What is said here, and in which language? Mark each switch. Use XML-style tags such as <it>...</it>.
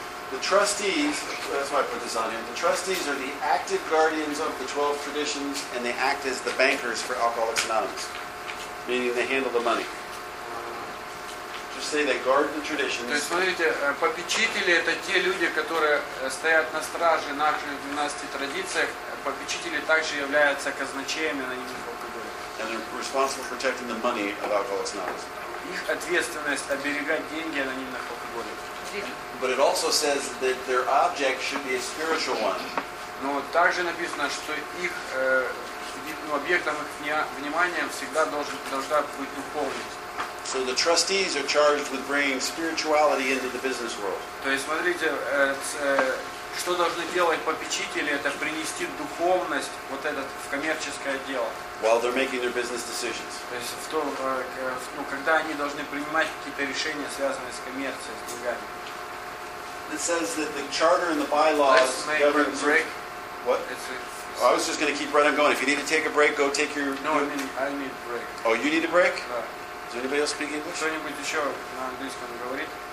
<en>The trustees, that's why I put this on here, the trustees are the active guardians of the 12 traditions and they act as the bankers for Alcoholics Anonymous, meaning they handle the money. Just say they guard the traditions.</en> <ru>То есть, смотрите, попечители это те люди, которые стоят на страже наших 12 традициях, попечители также являются казначеями на них.</ru> <en>And they're responsible for protecting the money of Alcoholics Anonymous.</en> <ru>Их ответственность оберегать деньги анонимных алкоголиков.</ru> <en>But it also says that their object should be a spiritual one.</en> <ru>Но также написано, что их объектом их внимания всегда должна быть духовность.</ru> <en>So the trustees are charged with bringing spirituality into the business world.</en> <ru>То есть смотрите, что должны делать попечители, это принести духовность вот этот в коммерческое дело.</ru> <en>While they're making their business decisions.</en> <ru>То есть в том, ну, когда они должны принимать какие-то решения, связанные с коммерцией, с деньгами.</ru> <en>It says that the charter and the bylaws govern. Let's make a break. What? Oh, I was just going to keep right on going. If you need to take a break, go take your. No, I need a break. Oh, you need a break? Yeah. Does anybody else speak English?</en> <ru>Кто-нибудь еще на английском говорит?</ru>